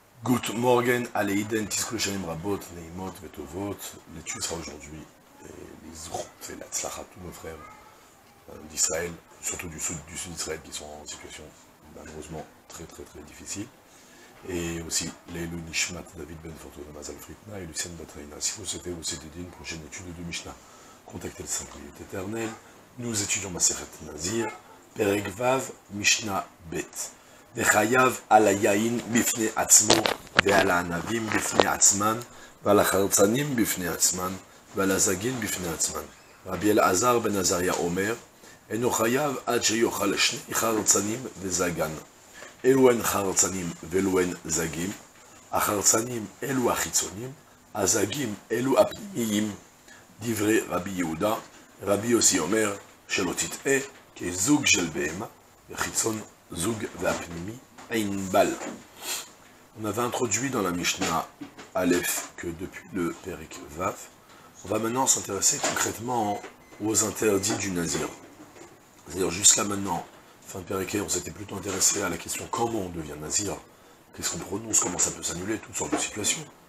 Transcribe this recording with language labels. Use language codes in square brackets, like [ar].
[en] Good morning, [fr] Aleiden, Tiskushanim Rabot, Leimot, Vetovot, les tuyaux sera aujourd'hui, les Zrout, et la Tzlacha, tous nos frères d'Israël, surtout du sud d'Israël, qui sont en situation malheureusement très très très difficile, et aussi Leilu Nishmat, David Ben Fortuna, Mazal Fritna, et Lucien Batraina. Si vous souhaitez aussi dédier une prochaine étude de Mishnah, contactez le Saint-Priot éternel. Nous étudions Maseret Nazir, Perek Vav, Mishnah Bet. [he] וחייב על היין בפני עצמו, ועל הענבים בפני עצמן, ועל החרצנים בפני עצמן, ועל הזגין בפני עצמן. רבי אלעזר בן עזריה אומר, אינו חייב עד שיוכל שני חרצנים וזגן. אלו הן חרצנים ולו הן זגים. החרצנים אלו החיצונים, הזגים אלו הפנימיים. דברי רבי יהודה, רבי יוסי אומר, שלא תטעה כזוג של בהמה וחיצון Zug Vapnimi Einbal. [fr] On avait introduit dans la Mishnah Aleph que depuis le Perek Vav, on va maintenant s'intéresser concrètement aux interdits du Nazir. C'est-à-dire jusqu'à maintenant, fin de Perek, on s'était plutôt intéressé à la question comment on devient Nazir, qu'est-ce qu'on prononce, comment ça peut s'annuler, toutes sortes de situations.